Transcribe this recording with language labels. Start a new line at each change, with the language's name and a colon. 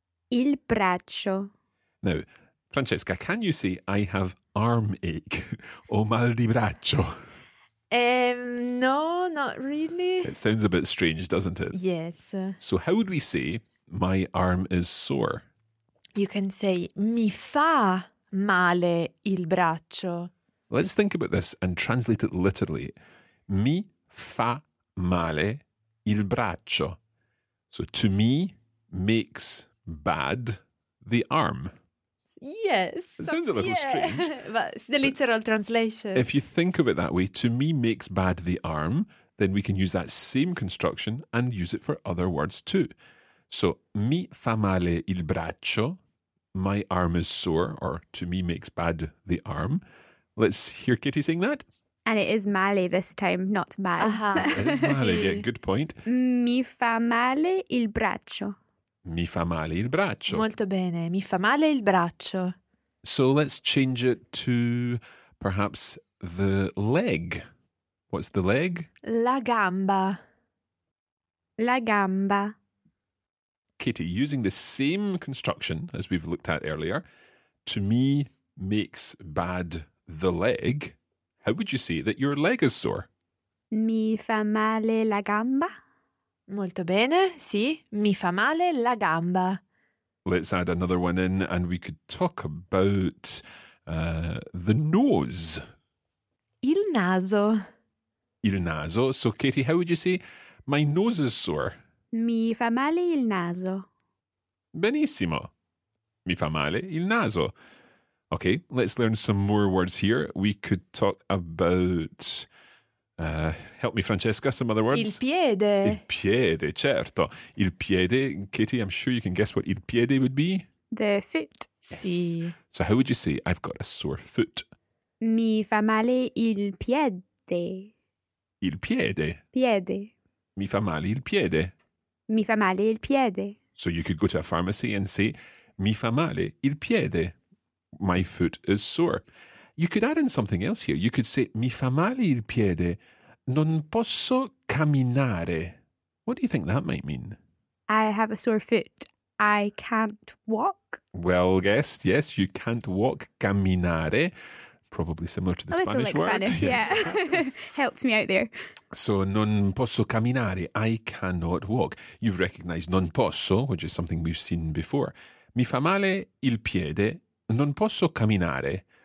Italian: Il braccio.
English: Now, Francesca, can you say I have arm ache?
Italian: O mal di braccio?
English: No, not really. It sounds a bit strange, doesn't it? Yes. So how would we say my arm is sore? You can say
Italian: mi fa male il braccio.
English: Let's think about this and translate it literally.
Italian: Mi fa male il braccio.
English: So to me makes bad the arm. Yes. It sounds a little strange. But it's the literal translation. If you think of it that way, to me makes bad the arm, then we can use that same construction and use it for other words too. So,
Italian: mi fa male il braccio,
English: my arm is sore, or to me makes bad the arm. Let's hear Kitty sing that. And it is male this time, not mal. Uh-huh. It is male, yeah, good point.
Italian: Mi fa male il braccio. Mi fa male il braccio. Molto bene, mi fa male il braccio.
English: So let's change it to perhaps the leg. What's the leg?
Italian: La gamba. La gamba.
English: Kitty, using the same construction as we've looked at earlier, to me makes bad the leg. How would you say that your leg is sore?
Italian: Mi fa male la gamba. Molto bene, sì, mi fa male la gamba.
English: Let's add another one in and we could talk about the nose.
Italian: Il naso. Il naso.
English: So, Katie, how would you say, my nose is sore?
Italian: Mi fa male il naso. Benissimo. Mi fa male il naso.
English: Okay, let's learn some more words here. We could talk about... help me, Francesca, some other words.
Italian: Il piede. Il piede, certo.
English: Il piede, Katie, I'm sure you can guess what il piede would be. The foot. Yes. Sì. So how would you say, I've got a sore foot?
Italian: Mi fa male il piede. Il piede. Piede. Mi fa male il piede. Mi fa male il piede.
English: So you could go to a pharmacy and say,
Italian: mi fa male il piede.
English: My foot is sore. You could add in something else here. You could say,
Italian: mi fa male il piede, non posso camminare.
English: What do you think that might mean? I have a sore foot. I can't walk. Well guessed, yes, you can't walk, camminare. Probably similar to the Spanish word. Spanish, yes. Yeah. Helped me out there. So,
Italian: non posso camminare,
English: I cannot walk. You've recognised
Italian: non posso,
English: which is something we've seen before.
Italian: Mi fa male il piede, non posso camminare.